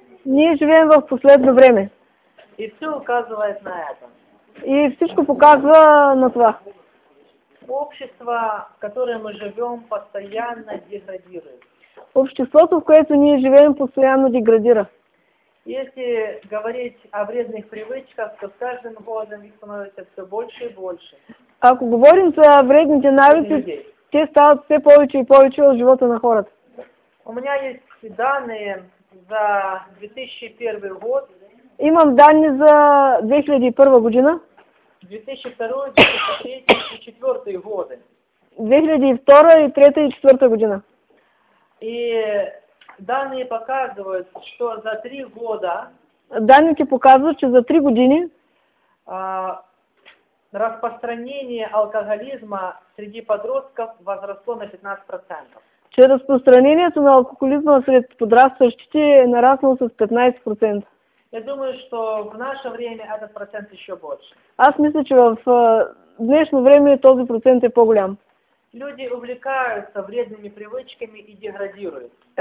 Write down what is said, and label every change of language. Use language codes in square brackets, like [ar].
[ru] Не живем в последнее время. И все указывает на это. [bg] И всичко показва на това. [ru] Общество, в котором мы живем, постоянно деградирует. [bg] Обществото, в което ние живеем, постоянно деградира. [ru] Если говорить о вредных привычках, то с каждым годом их становится все больше и больше. [bg] Ако говорим за вредните навици, те стават все повече и повече от живота на хората. [ru] У меня есть данные за 2001 год. [bg] Имам данни за 2001 година. [ru] 2002, 2003, 2004 годы. [bg] 2002, 2003, 2004 година. [ru] И данные показывают, что за 3 года... Данные показывают, что за 3 години... Распространение алкоголизма среди подростков возросло на 15%. [bg] Че распространението на алкоголизма сред подрастващите нарасло с 15%. [ru] Я думаю, что в наше время этот процент еще больше. [bg] Аз мисля, че в днешно време този процент е по-голям. [ru] Люди увлекаются вредными привычками и деградируют.